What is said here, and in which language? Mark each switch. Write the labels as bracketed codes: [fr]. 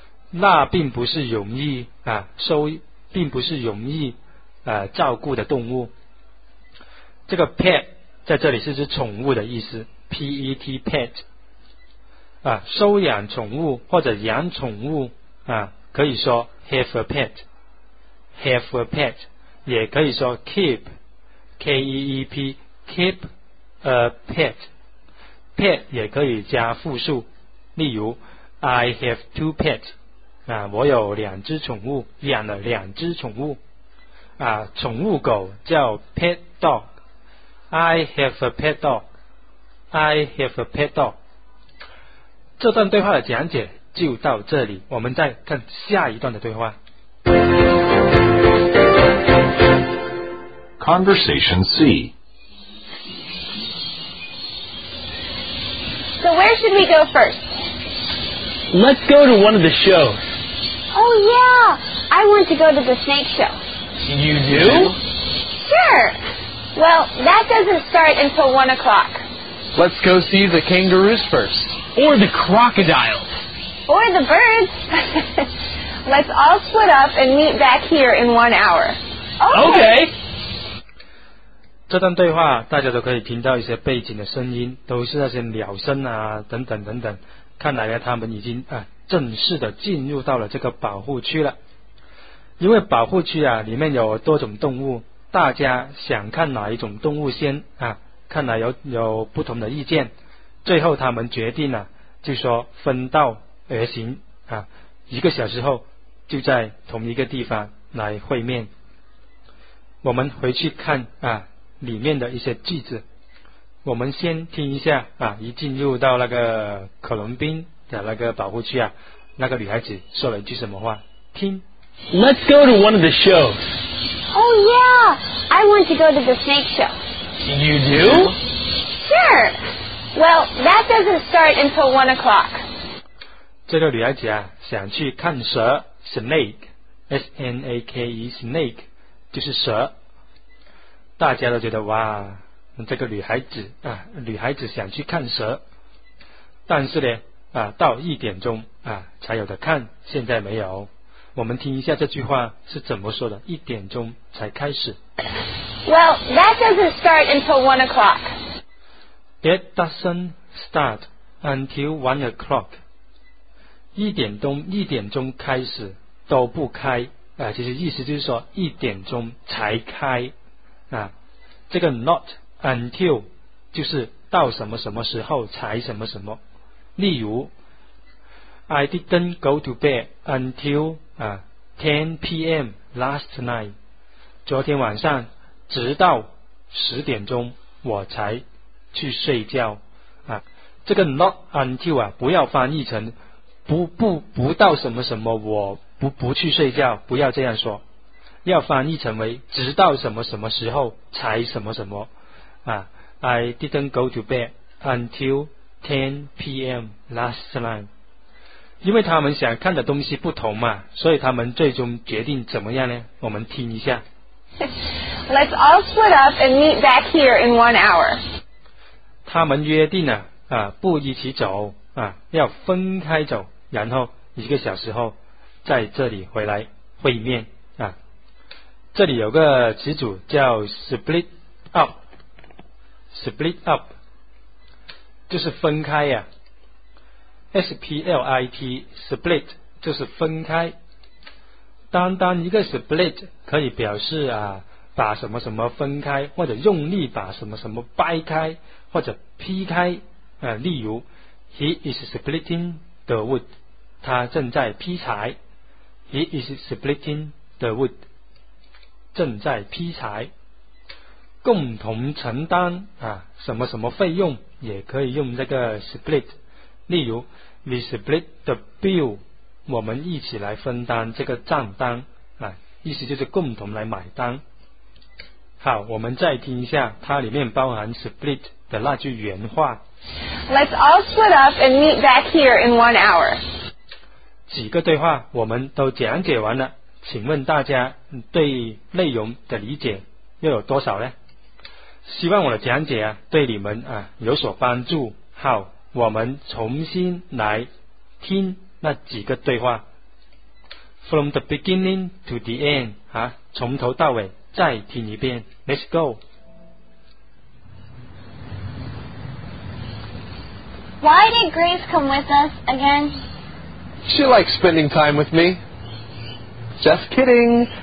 [zh] 那并不是容易并不是容易照顾的动物。这个 pet 在这里是指宠物的意思 ，pet pet。收养宠物或者养宠物可以说 [en] have a pet， have a pet， [zh] 也可以说 keep， k e e p， [en] keep a pet， [zh] pet 也可以加复数，例如 [en] I have two pets， [zh] 我有两只宠物，养了两只宠物，宠物狗叫 pet dog， [en] I have a pet dog， I have a pet dog。 [zh] 这段对话的讲解就到这里，我们再看下一段的对话。 [en] Conversation C. So where should we go first? Let's go to one of the shows. Oh yeah, I want to go to the snake show. You do? Sure. Well, that doesn't start until 1 o'clock. Let's go see the kangaroos first. Or the crocodiles. Or the birds. Let's all split up and meet back here in 1 hour. Okay. [zh] 这段对话大家都可以听到一些背景的声音，都是那些鸟声等等等等。看来他们已经正式的进入到了这个保护区了。因为保护区里面有多种动物，大家想看哪一种动物先看来有不同的意见。最后他们决定就说分道而行一个小时后就在同一个地方来会面。我们回去看里面的一些句子。我们先听一下一进入到那个可伦宾的那个保护区那个女孩子说了一句什么话，听。 [en] Let's go to one of the shows. Oh yeah, I want to go to the snake show. You do? Sure. Well, that doesn't start until 1 o'clock. [zh] 这个女孩子想去看蛇 ,snake, S-N-A-K-E, snake, 就是蛇。大家都觉得哇，这个女孩子想去看蛇。但是呢到1点钟才有的看，现在没有。我们听一下这句话是怎么说的，1点钟才开始。 [en] Well, that doesn't start until 1 o'clock. It doesn't start until 1 o'clock. [zh] 一点钟开始都不开其实意思就是说1点钟才开这个 not until 就是到什么什么时候才什么什么。 [en] 例如 I didn't go to bed until 10 p.m. last night. [zh] 昨天晚上直到10点钟我才去睡觉这个 not until 不要翻译成不到什么什么我不去睡觉，不要这样说，要翻译成为直到什么什么时候才什么什么 [en] I didn't go to bed until 10 p.m. last night. [zh] 因为他们想看的东西不同嘛，所以他们最终决定怎么样呢？我们听一下。 [en] Let's all split up and meet back here in 1 hour. [zh] 他们约定了不一起走要分开走，然后一个小时后在这里回来会面这里有个词组叫 split up， split up 就是分开 split 就是分开。单单一个 split 可以表示啊，把什么什么分开，或者用力把什么什么掰开或者劈开。 [en] 例如 ，He is splitting the wood， [zh] 他正在劈柴。 [en] He is splitting the wood， 正在劈柴。 [zh] 共同承担啊，什么什么费用也可以用这个 split。 [en] 例如 ，We split the bill。 [zh] 我们一起来分担这个账单啊，意思就是共同来买单。好，我们再听一下它里面包含 split 的那句原话。 Let's all split up and meet back here in 1 hour. 几个对话我们都讲解完了，请问大家对内容的理解又有多少呢？希望我的讲解啊对你们啊有所帮助。好，我们重新来听那几个对话。 [en] From the beginning to the end 啊， [zh] 从头到尾再听一遍。 [en] Let's go. Why did Grace come with us again? She likes spending time with me. Just kidding.